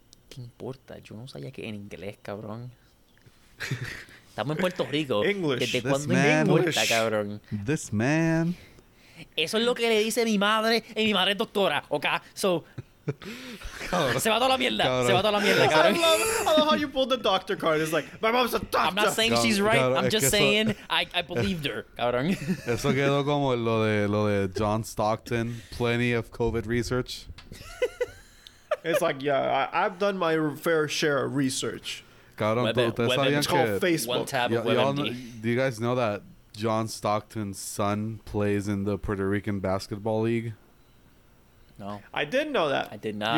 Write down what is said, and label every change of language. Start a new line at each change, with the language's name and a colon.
Spanish: ¿Qué importa? Yo no sabía que en inglés, cabrón. Estamos en Puerto Rico.
English: English.
Spanish: ¿Desde cuándo me importa, cabrón?
English: This man.
Spanish: Eso es lo que le dice mi madre, y mi madre es doctora, ¿ok? So... Cabrón. Se va toda la mierda. Cabrón. Se va toda la mierda, cabrón.
English: I love how you pulled the doctor card. It's like, my mom's a doctor. I'm not saying cabrón, she's right. Cabrón, I'm just saying I believed her, cabrón.
Spanish: Eso quedó como lo de John Stockton,
English: plenty of COVID research. It's like, yeah, I've done my fair share of research.
Spanish: Cabrón, ustedes sabían que...
English: It's called Facebook. One tab of WebMD. Do you guys know that John Stockton's son plays in the Puerto Rican Basketball League? No. I did know that. I did not.